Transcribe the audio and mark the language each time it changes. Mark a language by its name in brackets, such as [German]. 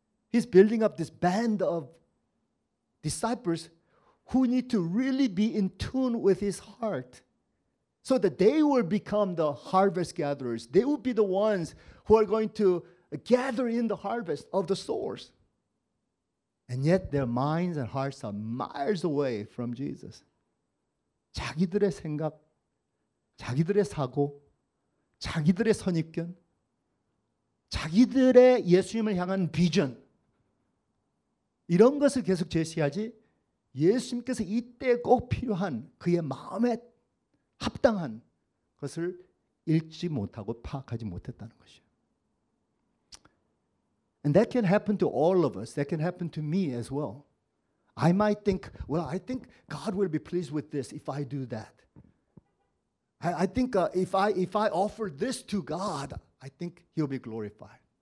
[English] He's building up this band of disciples who need to really be in tune with his heart so that they will become the harvest gatherers. They will be the ones who are going to gather in the harvest of the souls. And yet their minds and hearts are miles away from Jesus. [Korean] 자기들의 생각, 자기들의 사고, 자기들의 선입견, 자기들의 예수님을 향한 비전, 이런 것을 계속 제시하지 예수님께서 이때 꼭 필요한 그의 마음에 합당한 것을 읽지 못하고 파악하지 못했다는 것이에요. [English] And that can happen to all of us. That can happen to me as well. I might think, well, I think God will be pleased with this if I do that. I think if I offer this to God, I think he'll be glorified.